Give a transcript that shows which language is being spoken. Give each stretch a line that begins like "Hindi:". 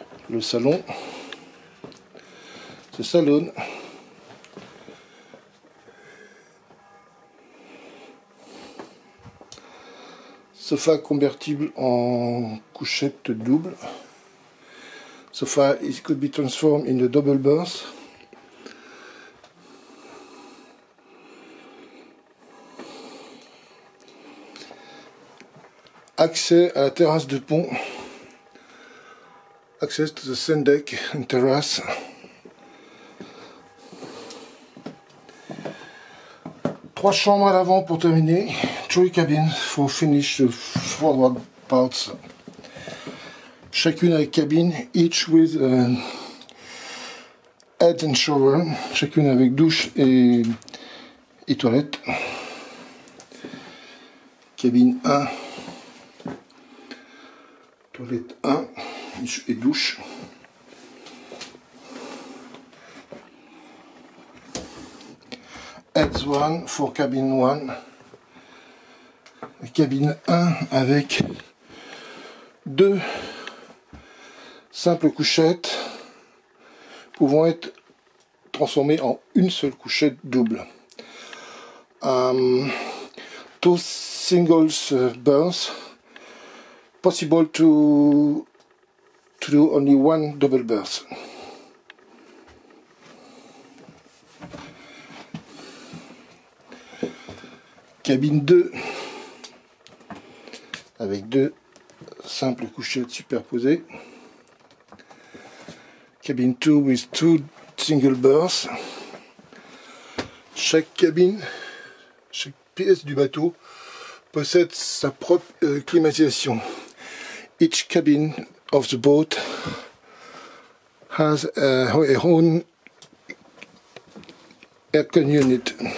French: Le salon, ce salon, sofa convertible en couchette double,
English: sofa it could be transformed in a double berth.
French: Accès à la terrasse de pont
English: access to the sun deck and terrace.
French: Trois chambres à l'avant pour terminer.
English: Three cabins for finish the forward parts.
French: Chacune avec cabine,
English: each with a head and shower.
French: Chacune avec douche et toilette. Cabine 1, toilette 1 et douche.
English: Heads 1 for cabine 1.
French: Cabine 1 avec 2 simples couchettes pouvant être transformées en une seule couchette double.
English: Two singles berths, possible to do only one double berth.
French: Cabine 2 avec 2 simples couchettes superposées.
English: Cabine 2 with 2 single berths.
French: Chaque cabine, chaque pièce du bateau possède sa propre climatisation.
English: Each cabin of the boat has a own aircon unit.